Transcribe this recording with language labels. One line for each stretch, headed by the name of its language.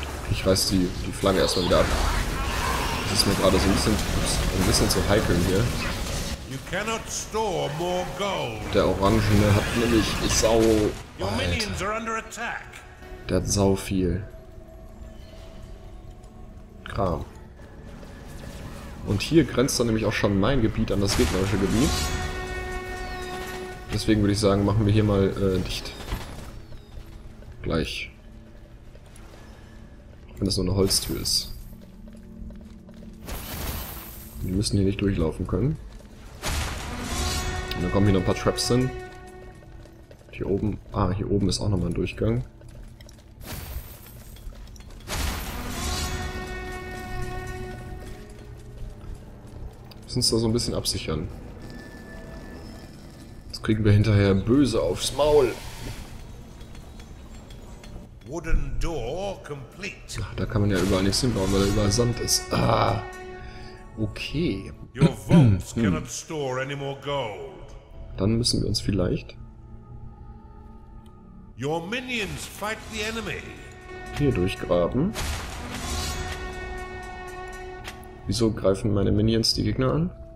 German: Ich reiß die Flagge erstmal wieder ab. Das ist mir gerade so ein bisschen zu heikel hier.
English: You cannot store more gold.
German: Der Orangene hat nämlich sau.
English: Your minions are under attack.
German: Der hat sau viel Kram. Und hier grenzt dann nämlich auch schon mein Gebiet an das gegnerische Gebiet. Deswegen würde ich sagen, machen wir hier mal dicht. Gleich. Wenn das nur eine Holztür ist. Wir müssen hier nicht durchlaufen können. Und dann kommen hier noch ein paar Traps hin. Hier oben. Ah, hier oben ist auch nochmal ein Durchgang. Wir müssen uns da so ein bisschen absichern. Das kriegen wir hinterher böse aufs Maul.
English: Wooden door complete.
German: Ach, da kann man ja überall nichts hinbauen, weil da überall Sand ist. Ah. Okay.
English: Your vaults cannot store any more gold.
German: Dann müssen wir uns vielleicht.
English: Your minions fight the enemy.
German: Hier durchgraben. Wieso greifen meine Minions die Gegner an?